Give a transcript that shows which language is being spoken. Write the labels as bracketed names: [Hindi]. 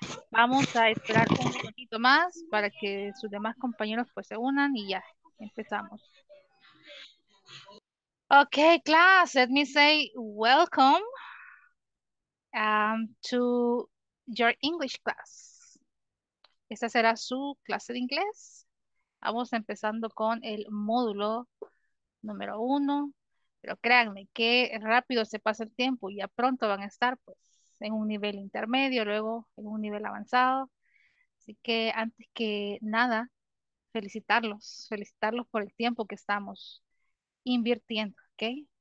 [Spanish] Vamos a esperar un minutito más para que sus demás compañeros pues se unan y ya empezamos. [English] Okay, class. Let me say welcome to your English class. [Spanish] Esta será su clase de inglés. Vamos empezando con el módulo número uno, pero créanme qué rápido se pasa el tiempo y ya pronto van a estar pues en un nivel intermedio, luego en un nivel avanzado. Así que antes que nada, felicitarlos, felicitarlos por el tiempo que estamos invirtiendo, ¿ok?